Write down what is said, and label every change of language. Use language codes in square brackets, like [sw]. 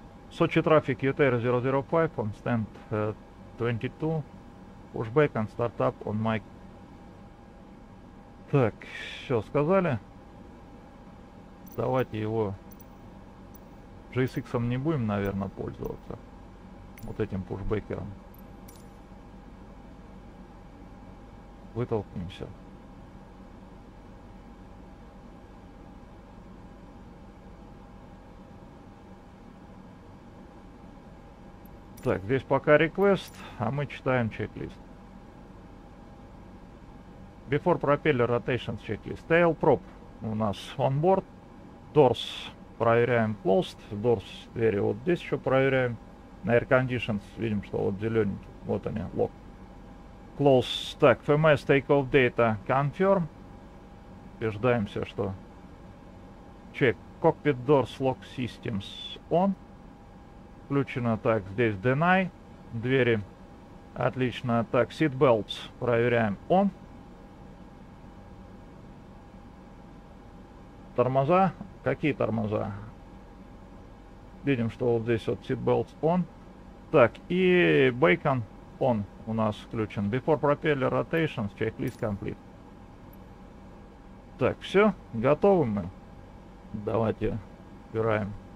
[ru] Сочи трафик [en] UTR-005 on stand 22, pushback and startup on mic. [ru] Так, все сказали. Давайте его GSX-ом не будем, наверное, пользоваться. Вот этим пушбекером. Вытолкнемся. Так, здесь пока request, а мы читаем чек-лист. [en] Before propeller rotation checklist. Tail prop [ru] у нас [en] on board. Doors [ru] проверяем [en] closed. [ru] Doors двери вот здесь еще проверяем. На air conditions видим, что вот зелененький. Вот они, lock. [en] Close. Так, FMS takeoff data confirm. [ru] Убеждаемся, что... Check. [en] Cockpit doors lock systems on. [ru] Включено, так, здесь deny, двери, отлично, так, seat belts, проверяем, on, тормоза, какие тормоза, видим, что вот здесь вот seat belts on, так, и bacon on у нас включен, [en] before propeller rotations, checklist complete, [ru] так, все, готовы мы, давайте убираем.